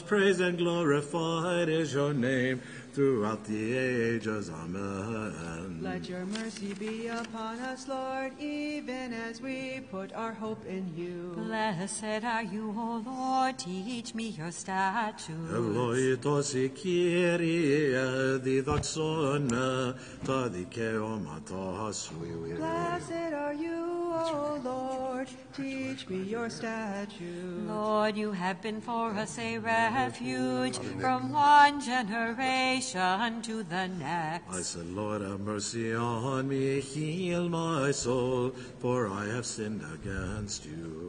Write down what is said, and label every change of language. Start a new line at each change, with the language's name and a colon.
English: Praised and glorified is your name throughout the ages. Amen. Let your mercy be upon us, Lord, even as we put our hope in you. Blessed are you, O Lord, teach me your statutes.
Greek: Ευλογητός η Κύριε, διδαξόν με τα δικαιώματά σου.
English: Blessed are you, O Lord, teach me your statutes. Lord, you have been for us a refuge from one generation to the next. I said, Lord, have mercy on me, heal my soul, for I have sinned against you.